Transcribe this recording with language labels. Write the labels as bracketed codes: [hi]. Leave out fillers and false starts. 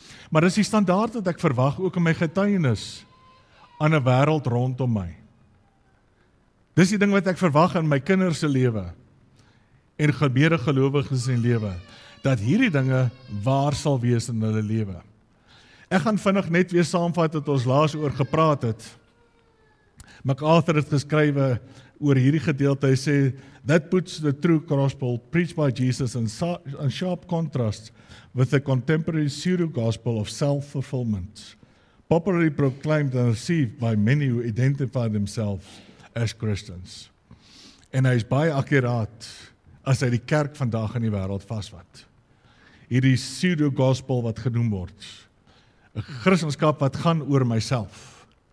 [af] Maar dis die standaard wat ek verwag, ook in my getuienis, aan 'n wêreld rondom my. Dis die ding wat ek verwag in my kinderse lewe en gebede gelowiges in lewe, dat hierdie dinge waar sal wees in hulle lewe. Ek gaan vinnig net weer saamvat wat ons laas oor gepraat het. MacArthur het geskrywe oor hierdie gedeelte, hy sê, [en] "That puts the true gospel preached by Jesus in sharp contrast with the contemporary pseudo-gospel of self-fulfillment, popularly proclaimed and received by many who identify themselves as Christians." [af] En hy is baie akkuraat as hy die kerk vandag in die wêreld vasvat. Hierdie pseudo-gospel wat genoem word, 'n Christenskap wat gaan oor myself.